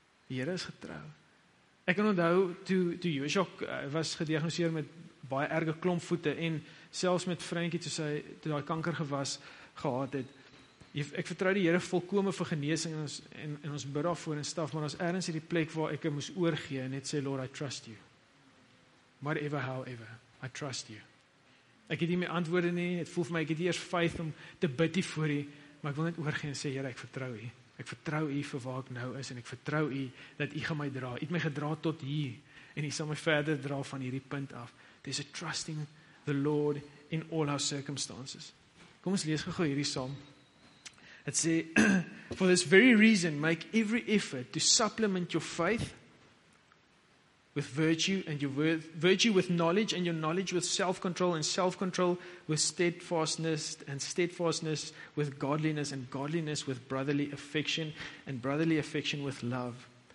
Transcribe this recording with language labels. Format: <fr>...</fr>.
<af>Die Here is getrou. Ek kan onthou, toe Joshua was gediagnoseer met baie erge klomp voete, en selfs met Frankie, toe hy kanker gehad het, ek vertrou die Here volkome vir genesing, en ons bid daarvoor en staf, maar ons ergens hierdie plek waar ek moes oorgee, en net sê,</af> <en>Lord, I trust you.</en> <af>Whatever, however. I trust you. Ek het nie my antwoorde nie, het voel vir my, ek het eers faith om te bid hier voor hier, maar ek wil net oorgee en sê, Here, ek vertrou u. Ek vertrou u vir waar ek nou is, en ek vertrou u dat u gaan my dra. U het my gedra tot hier, en u sal my verder dra van hierdie punt af.</af> <en>There's a trusting the Lord in all our circumstances.</en> <af>Kom ons lees gou hierdie saam. Het sê,</af> <en>for this very reason, make every effort to supplement your faith with virtue and your virtue with knowledge and your knowledge with self-control and self-control with steadfastness and steadfastness with godliness and godliness with brotherly affection and brotherly affection with love.</en>